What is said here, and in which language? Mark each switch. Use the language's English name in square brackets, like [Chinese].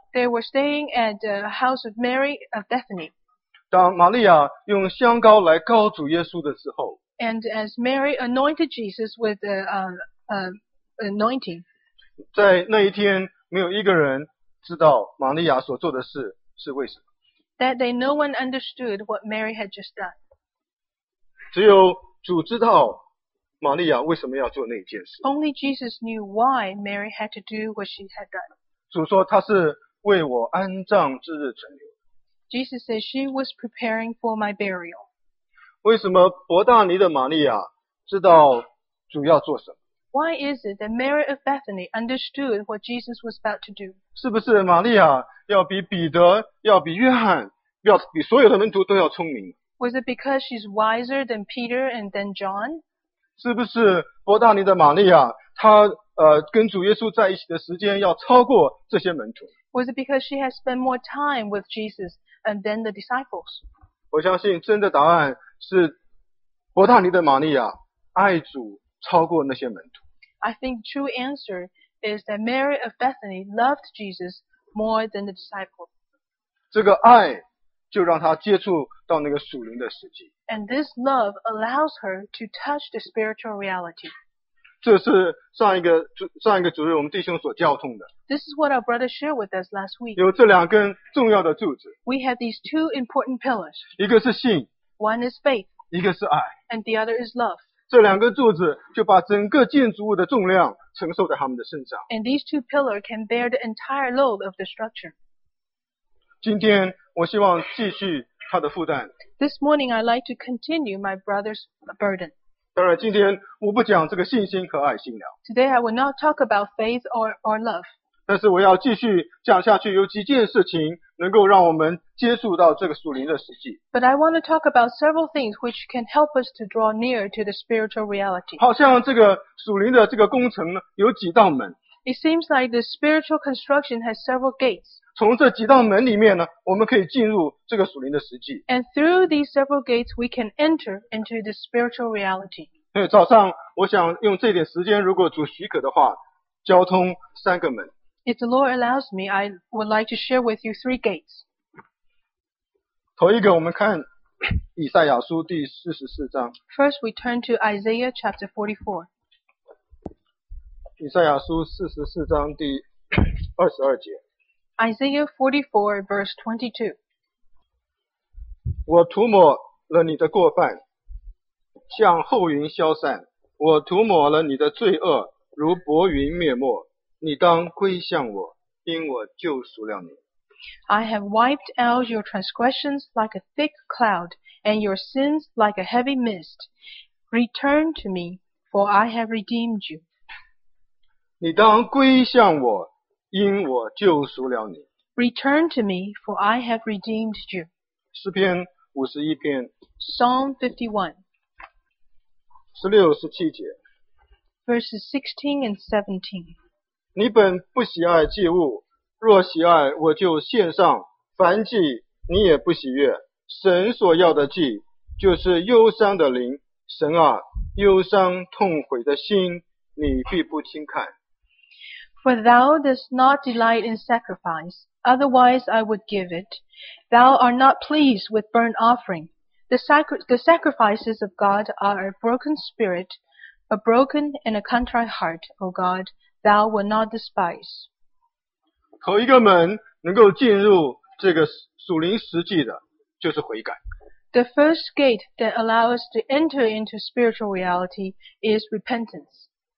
[English] They were staying at the house of Mary of Bethany. [Chinese] 当玛利亚用香膏来膏主耶稣的时候 [English] ，And as Mary anointed Jesus with the anointing， [Chinese] 在那一天没有一个人知道玛利亚所做的事是为什么。 [English] That day, no one understood what Mary had just done. [Chinese] 只有主知道。玛利亚为什么要做那件事 [English] ？Only Jesus knew why Mary had to do what she had done. [Chinese] 主说她是为我安葬之日存留。 [English] Jesus said she was preparing for my burial. [Chinese] 为什么伯大尼的玛利亚知道主要做什么 [English] ？Why is it that Mary of Bethany understood what Jesus was about to do？ [Chinese] 是不是玛利亚要比彼得、要比约翰、要比所有的门徒都要聪明 [English] ？Was it because she's wiser than Peter and than John？ [Chinese] 是不是伯大尼的玛利亚，她跟主耶稣在一起的时间要超过这些门徒 [English] ？Was it because she has spent more time with Jesus and than the disciples？ [Chinese] 我相信真的答案是伯大尼的玛利亚爱主超过那些门徒。 [English] I think true answer is that Mary of Bethany loved Jesus more than the disciples。 [Chinese] 这个爱。就让他接触到那个属灵的实际。 [English] And this love allows her to touch the spiritual reality. [Chinese] 这是上一个主日我们弟兄所教通的。 [English] This is what our brother shared with us last week. [Chinese] 有这两根重要的柱子。 [English] We have these two important pillars. [Chinese] 一个是信。 [English] One is faith. [Chinese] 一个是爱。 [English] And the other is love. [Chinese] 这两个柱子就把整个建筑物的重量承受在他们的身上。 [English] And these two pillars can bear the entire load of the structure. [Chinese] 今天我希望继续他的负担。 [English] This morning I'd like to continue my brother's burden. [Chinese] 当然今天我不讲这个信心和爱心了。 [English] Today I will not talk about faith or love. [Chinese] 但是我要继续讲下去有几件事情能够让我们接触到这个属灵的实际。 [English] But I want to talk about several things which can help us to draw near to the spiritual reality. [Chinese] 好像这个属灵的这个工程有几道门。 [English] It seems like the spiritual construction has several gates. [Chinese] 从这几道门里面呢，我们可以进入这个属灵的实际。 [English] And through these several gates, we can enter into the spiritual reality. [Chinese] 早上我想用这点时间，如果主许可的话，交通三个门。 [English] If the Lord allows me, I would like to share with you three gates. [Chinese] 头一个，我们看以赛亚书第四十四章。 [English] First, we turn to Isaiah chapter 44. [Chinese] 以赛亚书四十四章第二十二节。 [English] Isaiah 44 verse 22。 [Chinese] 我涂抹了你的过犯，像后云消散；我涂抹了你的罪恶，如薄云灭没。你当归向我，因我救赎了你。 [English] I have wiped out your transgressions like a thick cloud, and your sins like a heavy mist. Return to me, for I have redeemed you. [Chinese] 你当归向我，因我救赎了你。 [English] Return to me, for I have redeemed you. [Chinese] 诗篇五十一篇。 [English] Psalm 51. [Chinese] 十六十七节。 [English] Verses 16 and 17. [Chinese] 你本不喜爱祭物，若喜爱，我就献上燔祭，你也不喜悦。神所要的祭，就是忧伤的灵。神啊，忧伤痛悔的心，你必不轻看。 [English] For thou dost not delight in sacrifice, otherwise I would give it. Thou art not pleased with burnt offering. The sacrifices of God are a broken spirit, a broken and a contrite heart, O God, thou wilt not despise. [Chinese] 头一个门能够进入这个属灵实际的，就是悔改。 [English] The first gate that allows us to enter into spiritual reality is repentance.